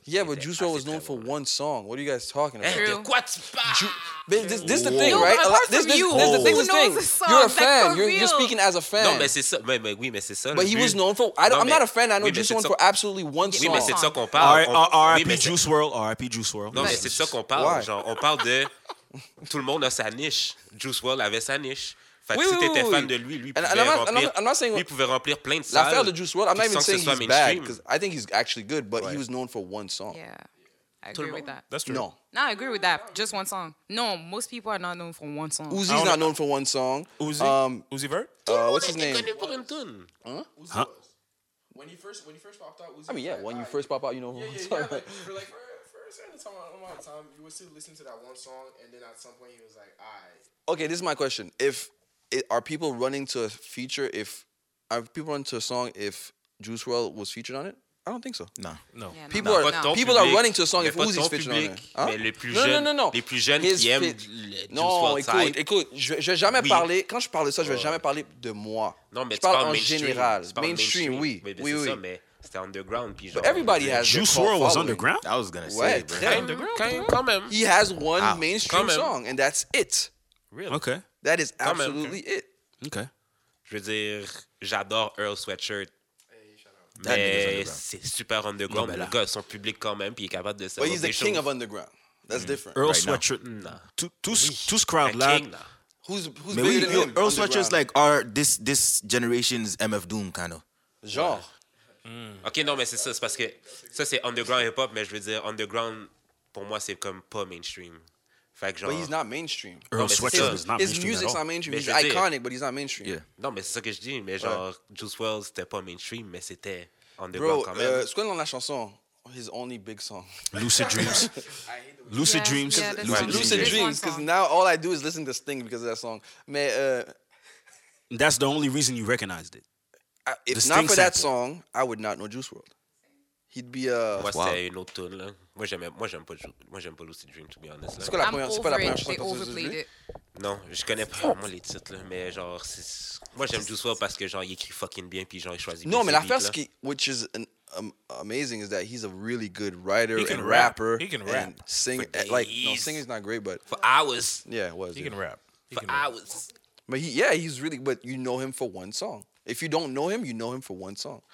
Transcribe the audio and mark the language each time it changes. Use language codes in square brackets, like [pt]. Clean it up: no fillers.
[en] Yeah, but Juice WRLD was known for one song. What are you guys talking about? True. But this is the thing, right? This is the thing. You're a fan. You're speaking as a fan. [fr] Non, mais c'est ça. Mais oui, mais c'est ça. [en] But he was known for. I'm not a fan. I know Juice WRLD for absolutely one song. [fr] Oui, mais c'est ça qu'on parle. [en] R.I.P. Juice WRLD. R.I.P. Juice WRLD. [fr] Non, mais c'est ça qu'on parle. Genre, on parle de tout le monde a sa niche. Juice WRLD avait sa niche. Fait que si t'étais fan de lui pouvait remplir plein de salles. L'affaire de [en] Juice WRLD, I'm not even saying he's bad, because I think he's actually good, but he was known for one song. Yeah, I agree with that. That's true. No, I agree with that. Just one song. No, most people are not known for one song. Uzi's not known for one song. Uzi? Uzi Vert? What's his name? When he first popped out, Uzi. I mean, yeah, when you first pop out, you know who I'm talking about. Yeah, but for like first amount of time, you would still listen to that one song, and then at some point, he was like, all right. Okay, this is my question. Are people running to a feature if are people running to a song if Juice WRLD was featured on it? I don't think so. No. People are running to a song if Uzi's featured on it. Huh? [fr] Mais les plus jeunes, les plus jeunes qui aiment Juice WRLD. Non, écoute, je vais jamais parler. Quand je parle de ça, je vais jamais parler de moi. Non, mais je parle en mainstream. Général. Mainstream, oui. Oui. Ça, mais c'était underground. Puis genre, [en] but everybody has Juice their WRLD following. Was underground? I was gonna say. [fr] Ouais, quand même. [en] He has one mainstream song and that's it. Really? Okay. That is absolutely it. Okay. [fr] Je veux dire, j'adore Earl Sweatshirt. Mais c'est super underground. Le gars, son public quand même, puis il est capable de se faire. [en] But he's the king of underground. That's different. [fr] Earl Sweatshirt, nah. Tout ce crowd-là. [en] Who's bigger than him? Earl Sweatshirt's like this generation's MF Doom, kind of. [fr] Genre. Ok, non, mais c'est ça. C'est parce que ça, c'est underground hip-hop, mais je veux dire, underground, pour moi, c'est comme pas mainstream. Fait que genre, [en] but he's not mainstream. Earl Sweatshirt is not mainstream. His music's not mainstream. He's iconic, but he's not mainstream. Yeah. [fr] Non, mais c'est ça que je dis. Mais genre, Juice WRLD, c'était pas mainstream, mais c'était underground quand même. Bro, c'est quoi la chanson? [en] His only big song. Lucid Dreams. Lucid Dreams. Lucid Dreams. Because now all I do is listen to Sting because of that song. [fr] Mais [en] that's the only reason you recognized it. If not for that song, I would not know Juice WRLD. He'd be a... [fr] Moi, c'était une autre tune, là. Moi j'aime pas Lucid Dream, [en] to be honest. [fr] C'est quoi la première? C'est pas la première chanson que tu Non, je connais pas vraiment les titres, là, mais genre, c'est... moi j'aime Juice WRLD parce que genre, il écrit fucking bien, puis genre, il choisit. Non, mais l'affaire, [en] which is amazing, is that he's a really good writer and rapper. He can rap. And sing, like, no, singing's not great, but... For hours. Yeah, it was. He can rap. For hours. But he's really, but you know him for one song. If you don't know him, you know him for one song.